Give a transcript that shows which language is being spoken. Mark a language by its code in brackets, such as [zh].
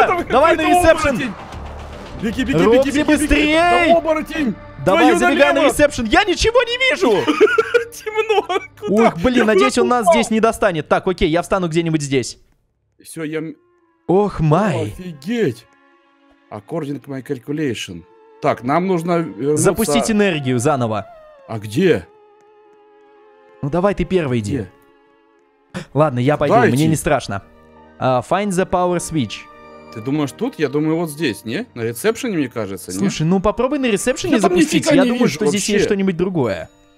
[ru] Давай на ресепшн! Беги, быстрей! Там оборотень! Давай, забегай на ресепшн! Я ничего не вижу! Темно! Ух, блин, надеюсь, он нас здесь не достанет. Так, окей, я встану где-нибудь здесь. Все, я... Ох, май! Офигеть! [en] According my calculation. [ru] Так, нам нужно вернуться... Запустить энергию заново. А где? Ну давай, ты первый иди. Ладно, я пойду, мне не страшно. [en] Find the power switch. [ru] Ты думаешь тут? Я думаю вот здесь, не? На ресепшене, мне кажется, не? Слушай, ну попробуй на ресепшене запустить, я думаю, что здесь есть что-нибудь другое.